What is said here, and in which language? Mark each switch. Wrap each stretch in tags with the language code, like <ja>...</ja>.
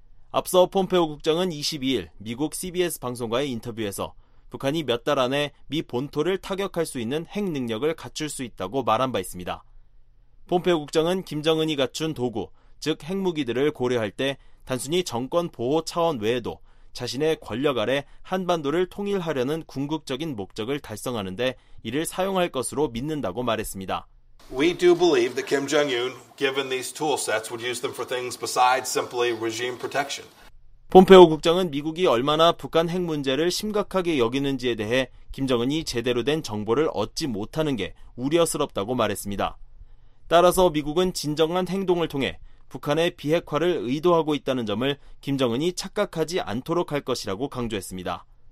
<ko>앞서 폼페오 국장은 22일 미국 CBS 방송과의 인터뷰에서 북한이 몇 달 안에 미 본토를 타격할 수 있는 핵 능력을 갖출 수 있다고 말한 바 있습니다. 폼페이오 국장은 김정은이 갖춘 도구, 즉 핵무기들을 고려할 때 단순히 정권 보호 차원 외에도 자신의 권력 아래 한반도를 통일하려는 궁극적인 목적을 달성하는데 이를 사용할 것으로 믿는다고 말했습니다.</ko> <en>We do believe that Kim Jong-un, given these tool sets, would use them for things besides simply regime protection.</en> <ko>폼페이오 국장은 미국이 얼마나 북한 핵 문제를 심각하게 여기는지에 대해 김정은이 제대로 된 정보를 얻지 못하는 게 우려스럽다고 말했습니다. 따라서 미국은 진정한 행동을 통해 북한의 비핵화를 의도하고 있다는 점을 김정은이 착각하지 않도록 할 것이라고 강조했습니다.</ko>